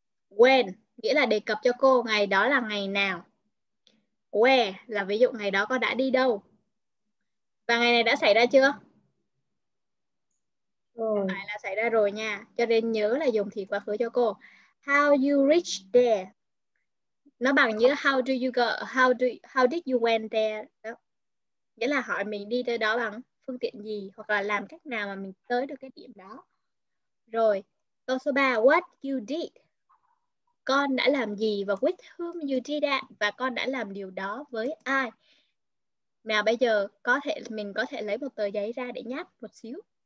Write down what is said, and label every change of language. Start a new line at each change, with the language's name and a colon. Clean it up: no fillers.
Vietnamese: When nghĩa là đề cập cho cô ngày đó là ngày nào. Where là ví dụ ngày đó con đã đi đâu. Và ngày này đã xảy ra chưa? Phải là xảy ra rồi nha. Cho nên nhớ là dùng thì quá khứ cho cô.
English: How you reach there.
Vietnamese: Nó bằng như
English: how do you go, how did you went there.
Vietnamese: Đó. Nghĩa là hỏi mình đi tới đó bằng phương tiện gì. Hoặc là làm cách nào mà mình tới được cái điểm đó. Rồi, câu số 3.
English: What you did.
Vietnamese: Con đã làm gì và
English: with whom you did that.
Vietnamese: Và con đã làm điều đó với ai. Nào bây giờ có thể mình có thể lấy một tờ giấy ra để nháp một xíu.